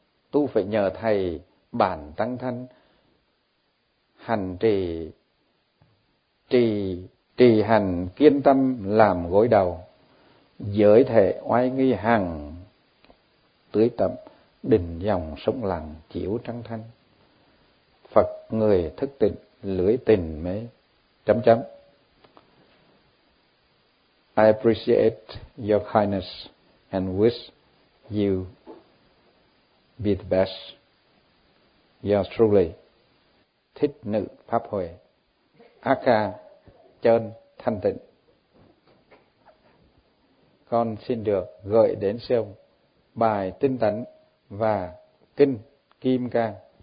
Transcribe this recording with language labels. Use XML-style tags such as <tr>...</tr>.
<vi>Tu phải nhờ thầy bản tăng thân hành trì hành kiên tâm làm gối đầu, giới thể oai nghi hằng tưới tẩm, đình dòng sông lặng chiếu trăng thanh, Phật người thức tịnh lưỡi tình mê.</vi> <en>I appreciate your kindness and wish you be the best. Yours truly, Thích Nữ Pháp Huệ, Aka Chơn Thanh Tịnh.</en> <vi>Con xin được gửi đến sư ông bài Tinh Tấn và Kinh Kim Cang.</vi>